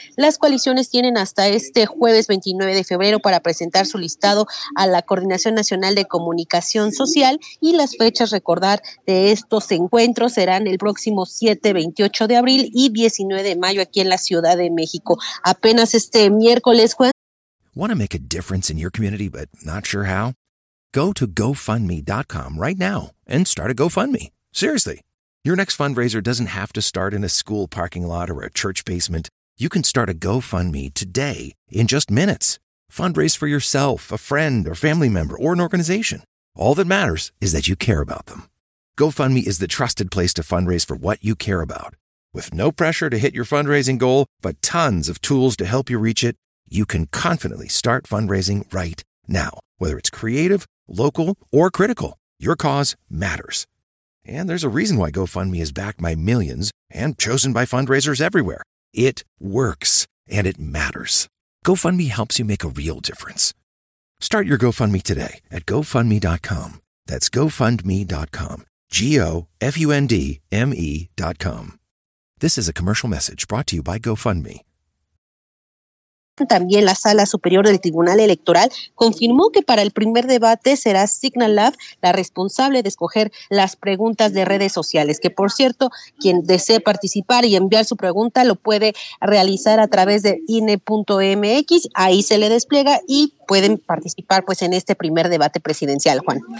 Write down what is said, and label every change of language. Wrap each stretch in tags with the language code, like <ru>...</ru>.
<es>Las coaliciones tienen hasta este jueves 29 de febrero para presentar su listado a la Coordinación Nacional de Comunicación Social, y las fechas, recordar, de estos encuentros serán el próximo 7, 28 de abril y 19 de mayo aquí en la Ciudad de México. Apenas este miércoles, jueves.</es> <en>Want to make a difference in your community but not sure how? Go to GoFundMe.com right now and start a GoFundMe. Seriously, your next fundraiser doesn't have to start in a school parking lot or a church basement. You can start a GoFundMe today in just minutes. Fundraise for yourself, a friend, or family member, or an organization. All that matters is that you care about them. GoFundMe is the trusted place to fundraise for what you care about. With no pressure to hit your fundraising goal, but tons of tools to help you reach it, you can confidently start fundraising right Now, whether it's creative, local, or critical, your cause matters. And there's a reason why GoFundMe is backed by millions and chosen by fundraisers everywhere. It works, and it matters. GoFundMe helps you make a real difference. Start your GoFundMe today at GoFundMe.com. That's GoFundMe.com. GoFundMe.com. This is a commercial message brought to you by GoFundMe.</en> <es>También la Sala Superior del Tribunal Electoral confirmó que para el primer debate será SignalLab la responsable de escoger las preguntas de redes sociales, que por cierto, quien desee participar y enviar su pregunta lo puede realizar a través de INE.mx, ahí se le despliega y pueden participar pues en este primer debate presidencial, Juan.</es>